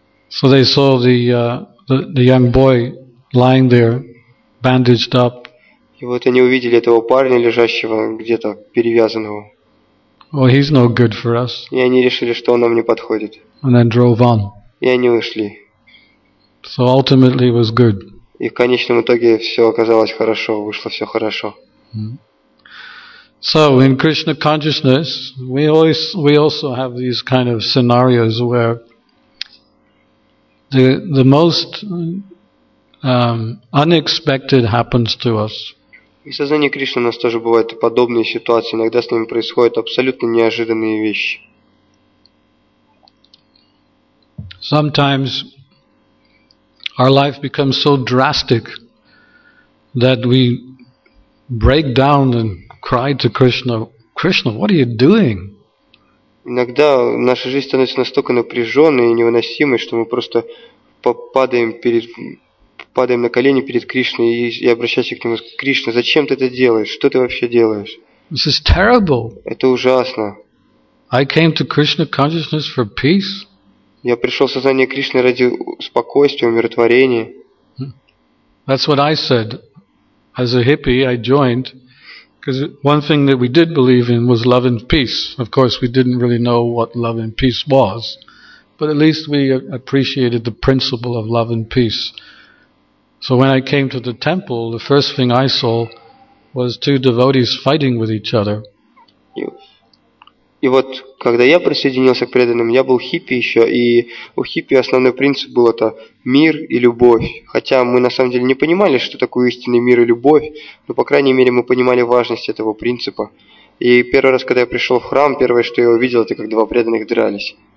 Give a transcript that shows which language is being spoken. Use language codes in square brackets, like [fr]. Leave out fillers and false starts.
[en] So they saw the young boy lying there, bandaged up. [ru] И вот они увидели этого парня, лежащего где-то перевязанного. [en] Well, he's no good for us. [ru] И они решили, что он нам не подходит. [en] And then drove on. [ru] И они ушли. [en] So ultimately it was good. [ru] И в конечном итоге все оказалось хорошо, вышло все хорошо. [en] So in Krishna consciousness, we also have these kind of scenarios where the most unexpected happens to us. [ru] И в сознании Кришны у нас тоже бывают подобные ситуации. Иногда с нами происходят абсолютно неожиданные вещи. [en] Sometimes our life becomes so drastic that we break down and cry to Krishna, Krishna, what are you doing? [ru] Иногда наша жизнь становится настолько напряженной и невыносимой, что мы просто падаем на колени перед Кришной и обращаясь к нему, Кришна, зачем ты это делаешь? Что ты вообще делаешь? [en] This is terrible. [ru] Это ужасно. [en] I came to Krishna consciousness for peace. [ru] Я пришел в сознание Кришны ради спокойствия, умиротворения. [en] That's what I said. As a hippie, I joined. Because one thing that we did believe in was love and peace. Of course, we didn't really know what love and peace was. But at least we appreciated the principle of love and peace. So when I came to the temple, the first thing I saw was two devotees fighting with each other. [ru] И вот, когда я присоединился к преданным, я был хиппи еще, и у хиппи основной принцип был это мир и любовь. Хотя мы на самом деле не понимали, что такое истинный мир и любовь, но, по крайней мере, мы понимали важность этого принципа. И первый раз, когда я пришел в храм, первое, что я увидел, это как два преданных дрались.